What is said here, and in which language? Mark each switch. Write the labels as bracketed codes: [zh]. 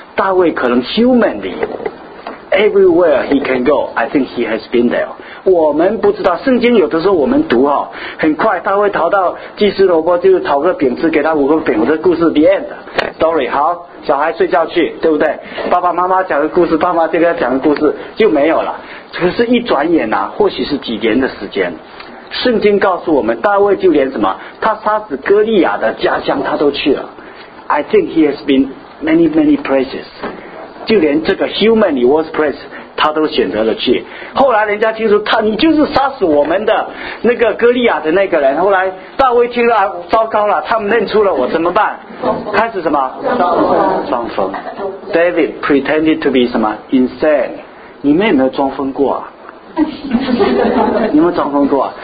[zh] 大卫可能 [en] humanly everywhere he can go, I think he has been there. [zh] 我们不知道，圣经有的时候我们读哈、哦，很快大卫逃到祭司罗波，就是讨个饼吃，给他五个饼，我的故事 [en] the end. [zh] Story 好。小孩睡觉去，对不对？爸爸妈妈讲个故事，爸妈这边讲个故事就没有了。可是一转眼啊，或许是几年的时间，圣经告诉我们，大卫就连什么他杀死哥利亚的家乡他都去了。 [en] I think he has been many many places， [zh] 就连这个 [en] human he was place [zh] 他都选择了去。后来人家听说他，你就是杀死我们的那个哥利亚的那个人，后来大卫听了、啊、糟糕了，他们认出了我，怎么办？开始什么装疯。 [en] David pretended to be 什么 insane。 [zh] 你们有没有装疯过啊？你们装疯过啊？